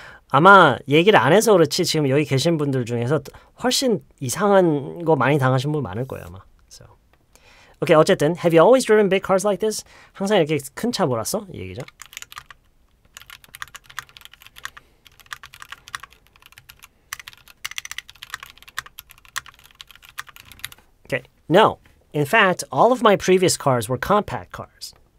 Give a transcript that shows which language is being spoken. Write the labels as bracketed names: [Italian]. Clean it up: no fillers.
[Korean] 아마 얘기를 안 해서 그렇지 지금 여기 계신 분들 중에서 훨씬 이상한 거 많이 당하신 분 많을 거예요 아마. [English] So. Okay, 어쨌든 Have you always driven big cars like this? [Korean] 항상 이렇게 큰 차 몰았어? 이 얘기죠. [English] Okay, no. In fact, all of my previous cars were compact cars.